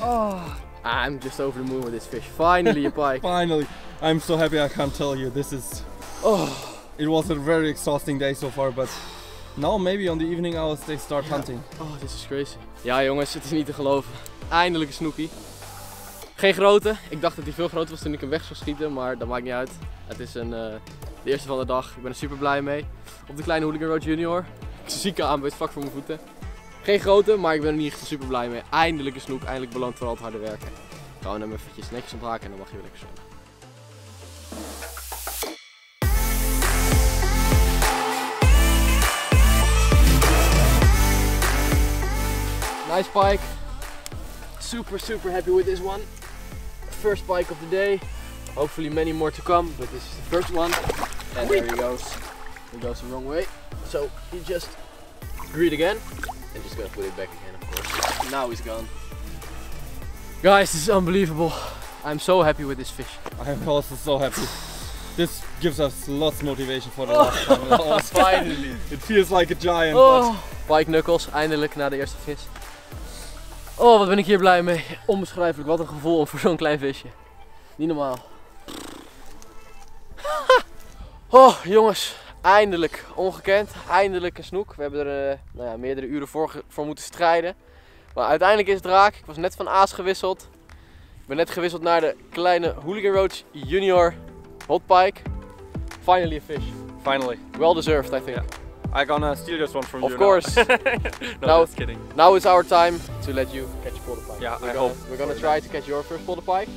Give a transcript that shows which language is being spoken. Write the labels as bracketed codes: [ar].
[en] Oh, I'm just over the moon with this fish. Finally a pike. Finally. I'm so happy, I can't tell you. This is... Oh. It was a very exhausting day so far, but now maybe on the evening hours they start hunting. Oh, this is crazy. [nl] Ja jongens, het is niet te geloven. Eindelijk een snoekie. Geen grote. Ik dacht dat hij veel groter was toen ik hem weg zou schieten, maar dat maakt niet uit. Het is een, de eerste van de dag. Ik ben er super blij mee. Op de kleine Hooligan Road Junior. Zieke aanbeet, vak voor mijn voeten. Geen grote, maar ik ben er niet echt super blij mee. Eindelijk een snoek, eindelijk beloond voor al het harde werken. Gaan we hem eventjes netjes ontwaken en dan mag je weer lekker zwemmen. [en] Nice pike. Super, super happy with this one. First pike of the day. Hopefully many more to come, but this is the first one. And there he goes. He goes the wrong way. So, he just greed again. And just gonna put it back again, of course. Now he's gone. Guys, this is unbelievable. I'm so happy with this fish. I'm also so happy. This gives us lots of motivation for the last time. Finally. It feels like a giant. [nl] Pike knuckles, eindelijk na de eerste vis. Oh, wat ben ik hier blij mee. Onbeschrijfelijk, wat een gevoel voor zo'n klein visje. Niet normaal. Oh, jongens. Eindelijk, ongekend, eindelijk een snoek. We hebben er meerdere uren voor moeten strijden. Maar uiteindelijk is het raak. Ik was net van aas gewisseld. Ik ben net gewisseld naar de kleine Hooligan Roach Junior Hot Pike. [en] Finally a fish. Finally. Well deserved, I think. Yeah. I'm gonna steal this one from of course. No, now, just kidding. Now it's our time to let you catch a polder pike. Yeah, we're gonna try to catch your first polder pike.